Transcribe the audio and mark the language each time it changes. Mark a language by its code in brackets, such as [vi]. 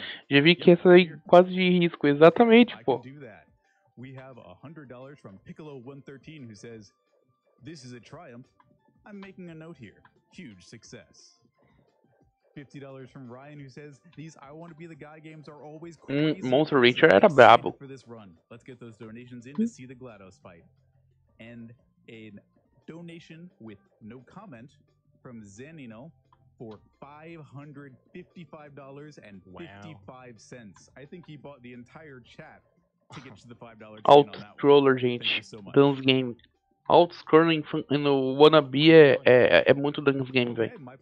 [pt] Já vi que essa aí é quase de risco, exatamente, pô. [en] We have $100 from Piccolo113 who says, "This is a triumph. I'm making a note here. Huge success." $50 from Ryan who says, "These I want to be the guy games are always crazy." [pt] Monster Rancher era brabo. [en] For this run, let's get those donations in to see the GLaDOS fight. And a donation with no comment from Zanino for $555.55. I think he bought the entire chat. [pt] Alt-scroller, gente. Dance Game. Alt-scrolling no Wannabe é muito Dance Game, velho.